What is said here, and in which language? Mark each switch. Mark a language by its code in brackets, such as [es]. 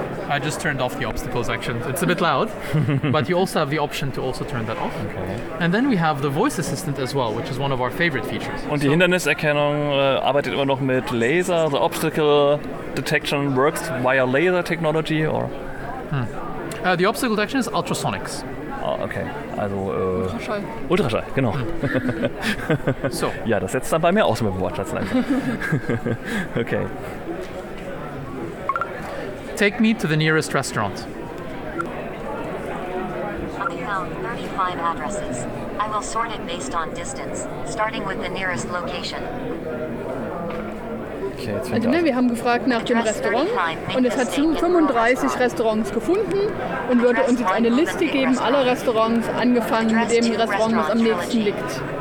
[en] I just turned off the obstacle section. It's a bit loud, but you also have the option to also turn that off. Okay. And then we have the voice assistant as well, which is one of our favorite features. [de] Und die Hinderniserkennung arbeitet immer noch mit Laser. [en] The obstacle detection works via laser technology or? The obstacle detection is ultrasonics. [de] Okay, also Ultraschall. Ultraschall, genau. So. Ja, das setzt dann bei mir aus mit dem Wortschatz langsam. Okay. [en] Take me to the nearest restaurant. I found 35 addresses. I will sort it based on distance, starting with the nearest location. [de] Okay, also, ne, wir haben gefragt nach dem Restaurant und es hat 35 Restaurants gefunden und würde uns jetzt eine Liste geben aller Restaurants, angefangen mit dem Restaurant, was am nächsten liegt.